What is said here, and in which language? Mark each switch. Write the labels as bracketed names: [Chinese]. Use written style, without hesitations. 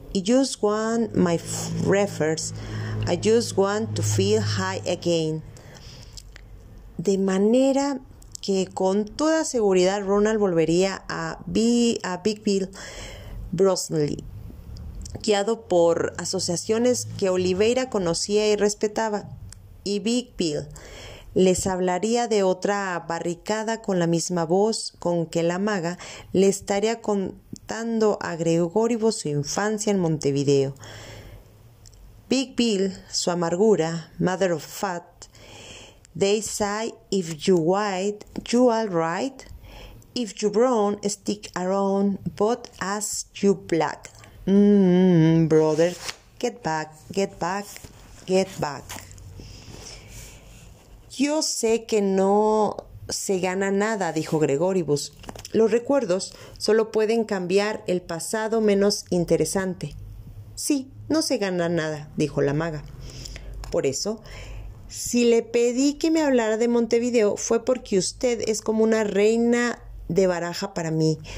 [English] I just want my refers, I just want to feel high again. [Spanish] De manera que con toda seguridad Ronald volvería a Big Bill Brosnley, guiado por asociaciones que Oliveira conocía y respetaba. Y Big Bill les hablaría de otra barricada con la misma voz con que la maga le estaría contando a Gregoribus su infancia en Montevideo. [English] Big Bill, [Spanish] su amargura, [English] Mother of Fat, They say, if you white, you all right. If you brown, stick around, but as you black. Brother, get back, get back, get back. [Spanish] Yo sé que no se gana nada, dijo Gregoribus. Los recuerdos solo pueden cambiar el pasado menos interesante. Sí, no se gana nada, dijo la maga. Por eso, si le pedí que me hablara de Montevideo, fue porque usted es como una reina de baraja para mí.